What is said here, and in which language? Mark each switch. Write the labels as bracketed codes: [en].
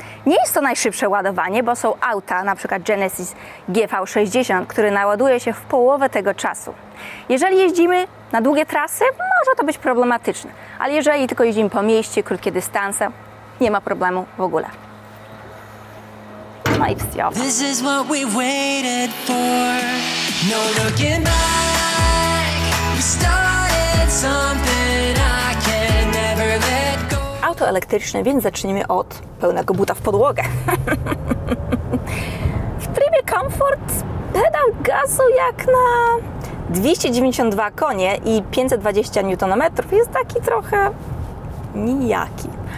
[pl] Nie jest to najszybsze ładowanie, bo są auta, na przykład Genesis GV60, który naładuje się w połowę tego czasu. Jeżeli jeździmy na długie trasy, może to być problematyczne. Ale jeżeli tylko jeździmy po mieście, krótkie dystanse, nie ma problemu w ogóle. No i wstyjowa. [en] This is what we waited for. No looking back. We started something I can never let go. [pl] Auto elektryczne, więc zacznijmy od pełnego buta w podłogę. W trybie komfort pedał gazu jak na 292 konie i 520 Nm jest taki trochę nijaki.